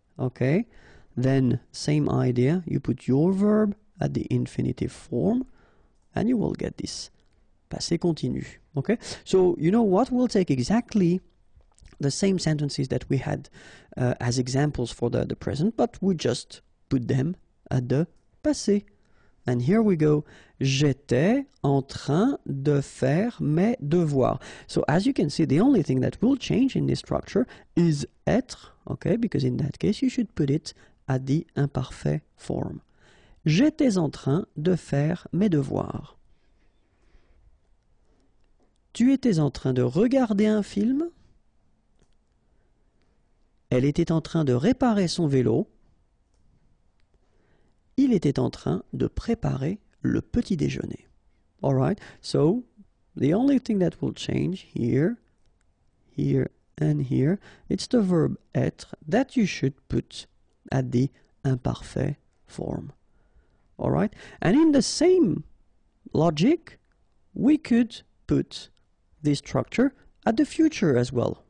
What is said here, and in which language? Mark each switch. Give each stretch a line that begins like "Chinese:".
English: Okay, then same idea, you put your verb at the infinitive form, and you will get this passé continu. Okay, so you know what? We'll take exactly the same sentences that we had as examples for the present, but we just put them at the passé. And here we go.
French: J'étais en train de faire mes devoirs.
English: So as you can see, the only thing that will change in this structure is être, okay? Because in that case, you should put it at the imparfait form.
French: J'étais en train de faire mes devoirs. Tu étais en train de regarder un film. Elle était en train de réparer son vélo. Il était en train de préparer le petit déjeuner.
English: All right, so the only thing that will change here, here, and here, it's the verb être that you should put at the imparfait form. All right, and in the same logic, we could put this structure at the future as well.